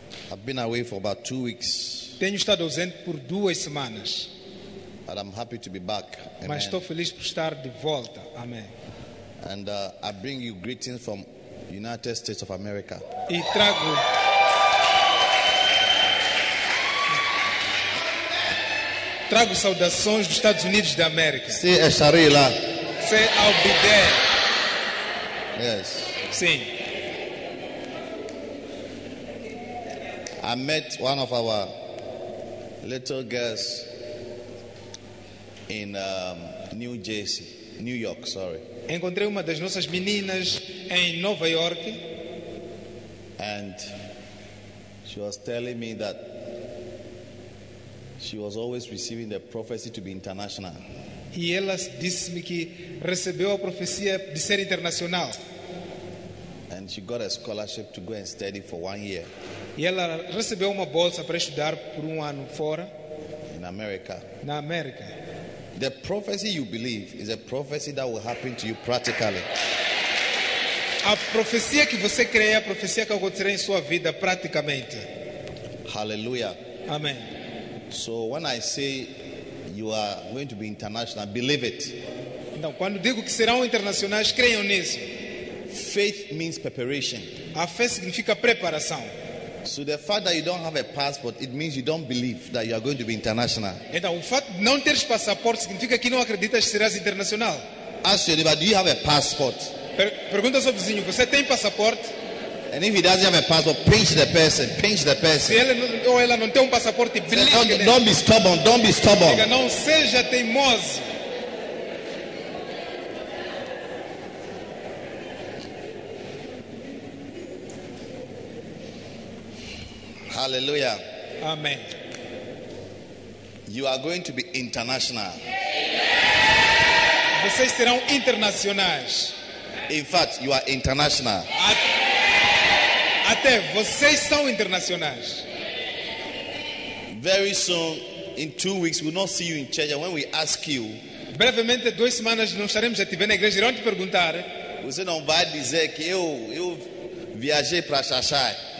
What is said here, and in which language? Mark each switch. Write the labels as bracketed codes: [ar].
[en] I've been away for about 2 weeks. [pt] Tenho estado ausente por 2 semanas. [en] But I'm happy to be back. [pt] Amen. Mas estou feliz por estar de volta. Amém. [en] And I bring you greetings from United States of America. [pt] E trago saudações dos Estados Unidos da América. Sim, estarei lá. [en] Say I'll be there. Yes. [pt] Sim. [en] I met one of our little girls. In New Jersey, New York, sorry. [pt] Encontrei uma das nossas meninas em Nova York. [en] And she was telling me that she was always receiving the prophecy to be international. [pt] E ela disse-me que recebeu a profecia de ser internacional. [en] And she got a scholarship to go and study for 1 year. [pt] E ela recebeu uma bolsa para estudar por 1 ano fora. [en] In America. [pt] Na América. [en] The prophecy you believe is a prophecy that will happen to you practically. [pt] A profecia que você crê é a profecia que acontecerá em sua vida praticamente. [en] Hallelujah. Amen. So when I say you are going to be international, believe it. [pt] Então, quando digo que serão internacionais, creiam nisso. [en] Faith means preparation. [pt] A fé significa preparação. [en] So the fact that you don't have a passport, it means you don't believe that you are going to be international. [pt] Então, o fato de não teres passaporte significa que não acreditas que serás internacional. [en] Ask your neighbor, do you have a passport? [pt] Pergunta ao seu vizinho, você tem passaporte? [en] And if he doesn't have a passport, pinch the person. [pt] Se ele ou ela não tem passaporte, belisque. [en] Don't be stubborn. [pt] Diga, não seja teimoso. [en] Hallelujah. Amen. You are going to be international. [pt] Amen. Vocês serão internacionais. [en] In fact, you are international. [pt] Até vocês são internacionais. [en] Very soon, in 2 weeks, we'll not see you in church. And when we ask you, [pt] brevemente, 2 semanas, não estaremos a te ver na igreja. Irão te perguntar. Você não vai dizer que eu viajei para Xai-Xai.